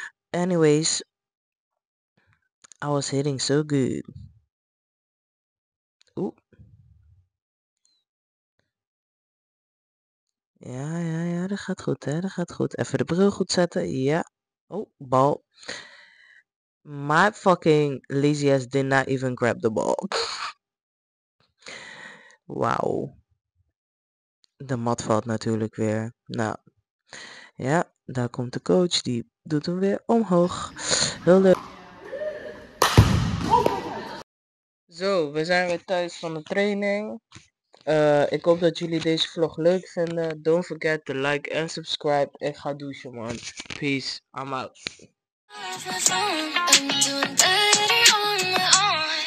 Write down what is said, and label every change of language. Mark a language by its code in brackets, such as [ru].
[en] Anyways. I was hitting so good. [nl] Oeh. Ja. Dat gaat goed, hè. Dat gaat goed. Even de bril goed zetten. Ja. Oh, bal. [en] My fucking lazy ass did not even grab the ball. Wow. [nl] De mat valt natuurlijk weer. Nou. Ja, daar komt de coach. Die doet hem weer omhoog. Heel leuk. Zo, we zijn weer thuis van de training. Ik hoop dat jullie deze vlog leuk vinden. [en] Don't forget to like and subscribe. [nl] Ik ga douchen, man. [en] Peace. I'm out. I'm doing better on my own.